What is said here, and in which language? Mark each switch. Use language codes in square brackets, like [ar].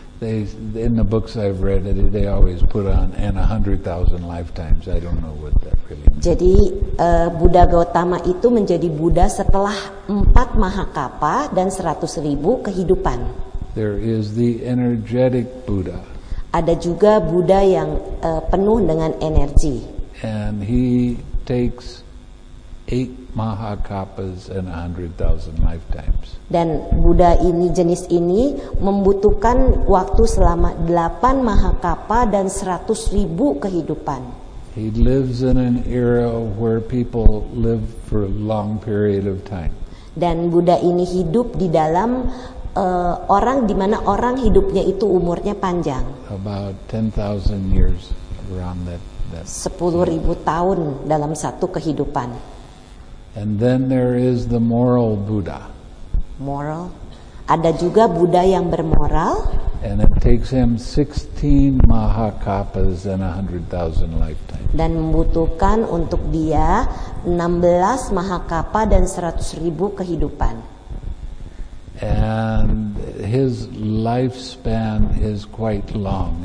[en] They in the books I've read they always put on and 100,000 lifetimes. I don't know what that really means. [id] Jadi Buddha Gautama itu menjadi Buddha setelah 4 Mahakappa dan 100,000 kehidupan. [en] There is the energetic Buddha. [id] Ada juga Buddha yang penuh dengan energi. [en] And he takes 8 Mahakappas and 100,000 lifetimes. [id] Dan Buddha ini jenis ini membutuhkan waktu selama 8 Mahakappa dan 100,000 kehidupan. [en] He lives in an era where people live for a long period of time. [id] Dan Buddha ini hidup di dalam orang di mana orang hidupnya itu umurnya panjang. [en] About 10,000 years around that. [id] 10,000 tahun dalam satu kehidupan. [en] And then there is the moral Buddha. Moral. [id] Ada juga Buddha yang bermoral. [en] And it takes him 16 Mahakappas and 100,000 lifetimes. [id] Dan membutuhkan untuk dia 16 Mahakappa dan 100,000 kehidupan. [en] And his lifespan is quite long.